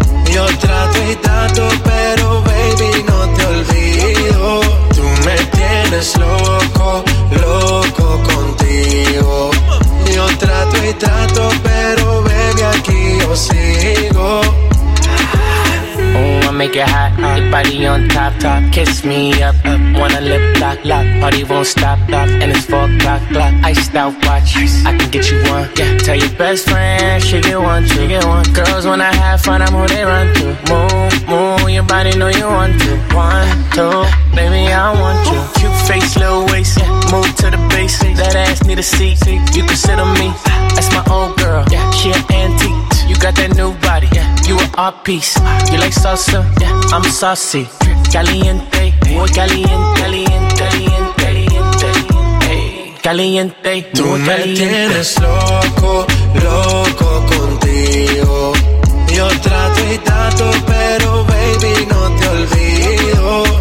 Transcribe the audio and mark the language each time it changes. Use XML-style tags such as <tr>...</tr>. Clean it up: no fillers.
<es>Yo trato y trato, pero baby, no te olvido. Tú me tienes loco, loco contigo. Yo trato y trato, pero baby, aquí yo sigo.</es> <en>Ooh, I make it hot, your body on top, top. Kiss me up, up, wanna lip lock, lock. Party won't stop, stop, and it's 4 o'clock. Iced out watch, ice. I can get you one, yeah. Tell your best friend, she get one, she get one. Girls wanna have fun, I'm who they run to. Move, move, your body know you want to. One, two, baby, I want you. Cute face, little waist, yeah. Move to the bass, that ass need a seat. You can sit on me, that's my old girl, yeah. She an antique. You got that new body, yeah. You an art piece. You like salsa, yeah. I'm saucy.</en> <es>Caliente, muy caliente, caliente, caliente, caliente, caliente. Tú me tienes loco, loco contigo. Yo trato y trato, pero baby, no te olvido.</es>